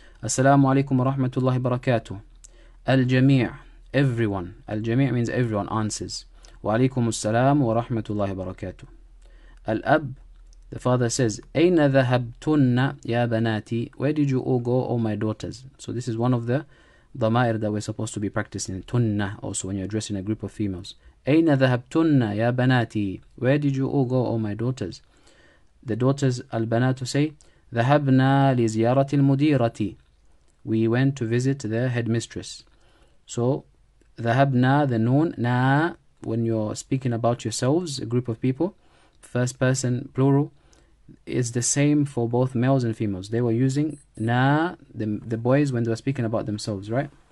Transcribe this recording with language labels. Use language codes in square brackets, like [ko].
[ar] السلام عليكم ورحمة الله وبركاته. [en] الجميع, everyone. الجميع means everyone answers. [ar] وعليكم السلام ورحمة الله وبركاته. الأب, [en] the father says, [ar] أين ذهبتن يا بناتي? [en] Where did you all go, all my daughters? So this is one of the ضمائر that we're supposed to be practicing. تن, also when you're addressing a group of females. [ar] أين ذهبتن يا بناتي? [en] Where did you all go, all my daughters? The daughters, البنات, say, [ar] ذهبنا لزيارة المديرة. [en] We went to visit the headmistress. So, ذهبنا, the noon, نا, when you're speaking about yourselves, a group of people, first person, plural, is the same for both males and females. They were using na, the boys, when they were speaking about themselves, right?